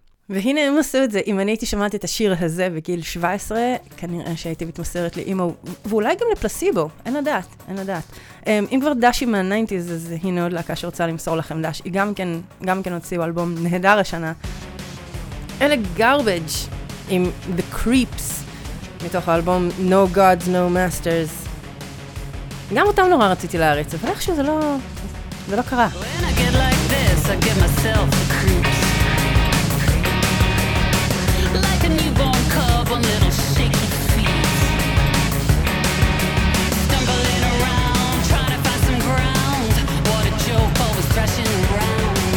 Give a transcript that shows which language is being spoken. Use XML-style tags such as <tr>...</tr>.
<he>והנה הם עשו את זה, אם אני הייתי שמעת את השיר הזה בגיל 17, כנראה שהייתי מתמסרת לאימו, ואולי גם לפלסיבו, אין לדעת, אין לדעת. אם כבר דש עם ה-90s, אז הנה עוד להקה שרוצה למסור לכם דש, היא גם כן, הוציאו אלבום נהדר השנה. אלה garbage. עם The Creeps מתוך האלבום No Gods, No Masters. גם אותם נורא רציתי להריץ, אבל איך שזה לא... זה לא קרה.</he> <en>When I get like this, I get myself the creeps. Like a newborn cub on little shaky feet. Stumbling around, trying to find some ground. What a joke, always crashing around.</en>